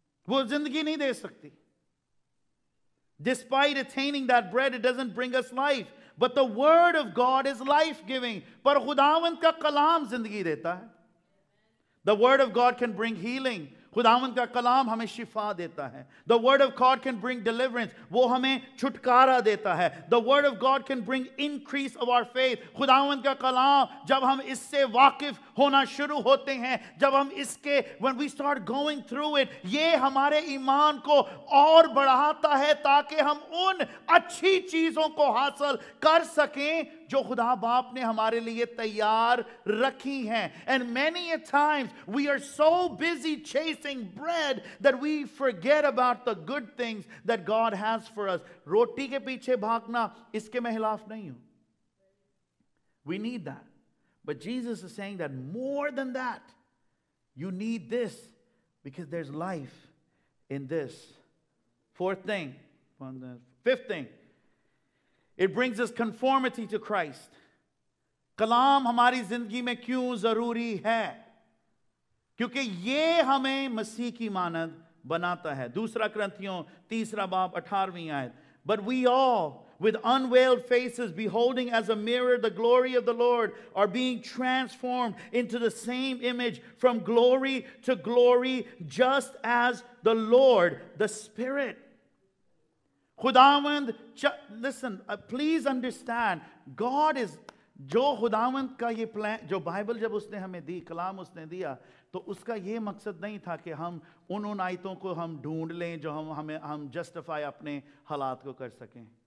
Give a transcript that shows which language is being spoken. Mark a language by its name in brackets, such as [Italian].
[Hindi] वो जिंदगी नहीं दे सकती। [English] Despite attaining that bread, it doesn't bring us life. But the word of God is life-giving. [Hindi] पर खुदावंत का कलाम जिंदगी देता है। [English] The word of God can bring healing. [Hindi] खुदावंत का कलाम हमें शिफा देता है. [English] the word of God can bring deliverance, [Hindi] वो हमें छुटकारा देता है. [English] The word of God can bring increase of our faith. [Hindi] खुदावंत का कलाम, जब हम इससे वाकिफ होना शुरू होते हैं, जब हम इसके [English] when we start going through it, [Hindi] ये हमारे ईमान को और बढ़ाता है ताकि हम उन अच्छी चीजों को हासिल कर सकें जो खुदा बाप ने हमारे लिए तैयार रखी हैं. [English] And many a times we are so busy chasing bread that we forget about the good things that God has for us. [Hindi] Roti ke piche bhagna, iske main khilaf nahi hu. [English] We need that. But Jesus is saying that more than that, you need this because there's life in this. Fifth thing, it brings us conformity to Christ. [Hindi] Kalam hamari zindagi mein kyun zaruri hai? क्योंकि ये हमें मसीह की मानद बनाता है. दूसरा क्रंथियों 3:18. [English] But we all, with unveiled faces, beholding as a mirror the glory of the Lord, are being transformed into the same image from glory to glory, just as the Lord, the Spirit. [Hindi] खुदावंद, [English] listen, please understand, God is, [Hindi] जो खुदावंद का ये plan, जो Bible जब उसने हमें दी, कलाम उसने दिया, तो उसका ये मकसद नहीं था कि हम उन आयतों को हम ढूंढ लें जो हम जस्टिफाई अपने हालात को कर सकें.